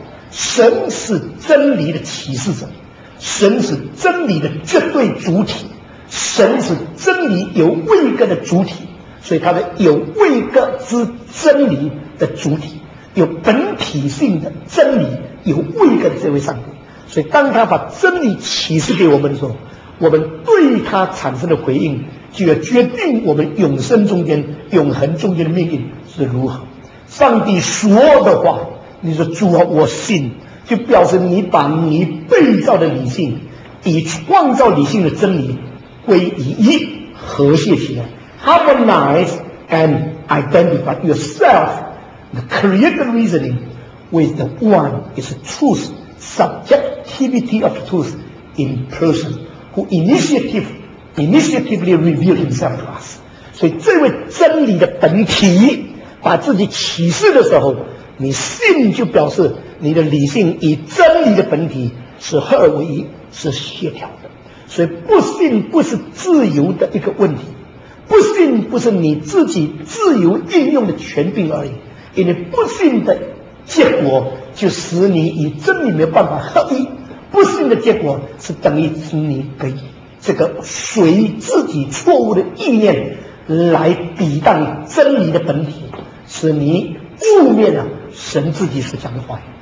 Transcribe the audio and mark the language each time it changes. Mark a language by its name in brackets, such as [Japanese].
[Chinese] 神是真理的启示者，神是真理的绝对主体，神是真理有位格的主体，所以他的有位格之真理的主体，有本体性的真理有位格的这位上帝。所以当他把真理启示给我们的时候，我们对他产生的回应就要决定我们永生中间永恒中间的命运是如何。上帝说的话，你说主啊我信，就表示你把你被造的理性以创造理性的真理归于一，和谐起来， [English] harmonize and identify yourself the created reasoning with the one is truth subjectivity of truth in person who initiatively revealed himself to us。 [Chinese] 所以这位真理的本体把自己启示的时候，你信就表示你的理性与真理的本体是合而为一，是协调的。所以不信不是自由的一个问题，不信不是你自己自由应用的权柄而已，因为不信的结果就使你与真理没有办法合一，不信的结果是等于使你给这个随自己错误的意念来抵挡真理的本体，使你负面了神自己所讲的话。